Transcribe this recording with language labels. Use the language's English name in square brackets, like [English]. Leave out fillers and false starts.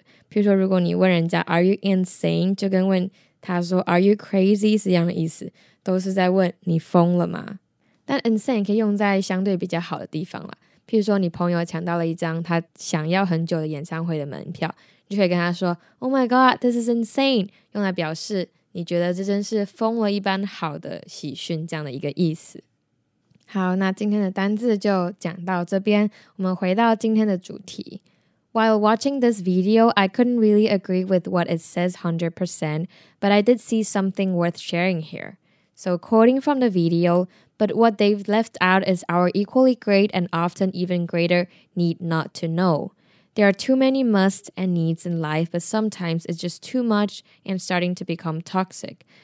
[Chinese] 这个也蛮常见的，但它其实还蛮没礼貌的。譬如说，如果你问人家 [English] Are you insane? [Chinese] 就跟问他说 [English] Are you crazy? [Chinese] 是一样的意思，都是在问你疯了吗？但 insane 可以用在相对比较好的地方啦。譬如说你朋友抢到了一张他想要很久的演唱会的门票，你就可以跟他说 [English] Oh my god, this is insane! [Chinese] 用来表示你觉得这真是疯了一般好的喜讯这样的一个意思。好，那今天的单字就讲到这边，我们回到今天的主题。 [English] While watching this video, I couldn't really agree with what it says 100%, but I did see something worth sharing here. So quoting from the video, but what they've left out is our equally great and often even greater need not to know. There are too many musts and needs in life, but sometimes it's just too much and starting to become toxic.